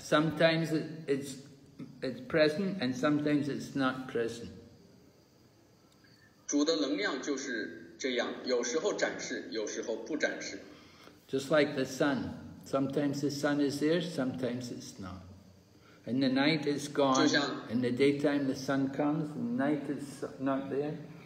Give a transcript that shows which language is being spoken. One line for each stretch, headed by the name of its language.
English: Sometimes it's present and sometimes it's not present.
Chinese: 主的能量就是这样，有时候展示，有时候不展示。
English: Just like the sun. Sometimes the sun is there, sometimes it's not. In the night it's gone. In the daytime the sun comes, in the night it's not there.